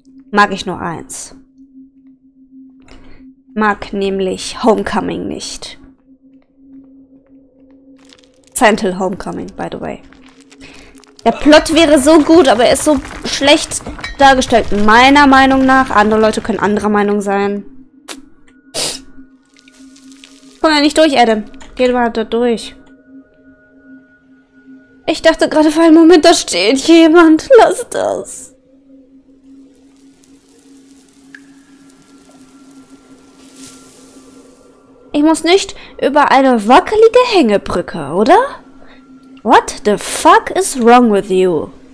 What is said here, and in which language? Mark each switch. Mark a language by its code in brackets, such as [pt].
[de] Mag ich nur 1. Mag nämlich Homecoming nicht. [en] Silent Hill Homecoming, by the way. [de] Der Plot wäre so gut, aber er ist so schlecht dargestellt. Meiner Meinung nach. Andere Leute können anderer Meinung sein. Komm ja nicht durch, Adam. Geh mal da durch. Ich dachte gerade für einen Moment, da steht jemand. Lass das. Ich muss nicht über eine wackelige Hängebrücke, oder? [en] What the fuck is wrong with you?